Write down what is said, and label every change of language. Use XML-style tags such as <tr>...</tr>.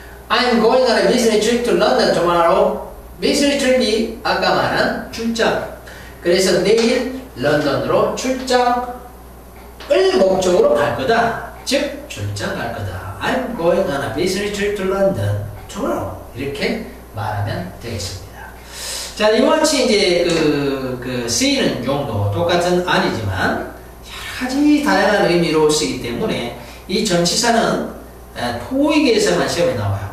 <en>I'm going on a business trip to London tomorrow.</en> <ko>Business trip이 아까 말한 출장. 그래서 내일 런던으로 출장을 목적으로 갈 거다. 즉 출장 갈 거다.</ko> <en>I'm going on a business trip to London tomorrow.</en> <ko>이렇게 말하면 되겠습니다. 자, 이와치 이제 그 쓰이는 용도 똑같은 아니지만 여러 가지 다양한 의미로 쓰기 때문에 이 전치사는 토익에서만 시험에 나와요.</ko>